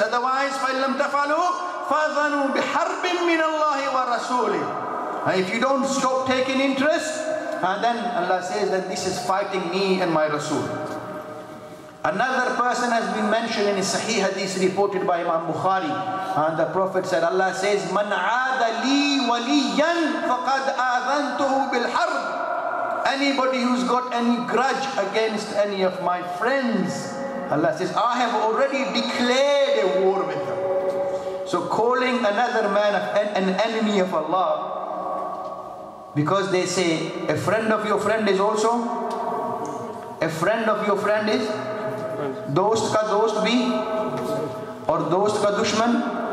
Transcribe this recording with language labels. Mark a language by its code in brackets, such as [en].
[ar] Otherwise, fa illam tafalu. فَاذَنُوا بِحَرْبٍ مِّنَ اللَّهِ وَرَسُولِهِ. [en] If you don't stop taking interest, then Allah says that this is fighting me and my Rasul. Another person has been mentioned in a Sahih Hadith reported by Imam Bukhari. And the Prophet said, Allah says, [ar] مَنْ عَادَ لِي وَلِيًّا فَقَدْ آذَنْتُهُ بِالْحَرْبِ. [en] Anybody who's got any grudge against any of my friends, Allah says, I have already declared a war with them. So calling another man an enemy of Allah, because they say a friend of your friend is also a friend of your friend is [hi] dost ka dost bhi or dost ka dushman.